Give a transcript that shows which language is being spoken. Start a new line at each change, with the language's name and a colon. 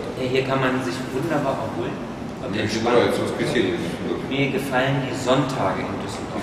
German: Hier kann man sich wunderbar erholen.
Russian: Мне очень нравится воскресенье в Дюссельдорфе. Мне
German: gefallen die Sonntage in Düsseldorf.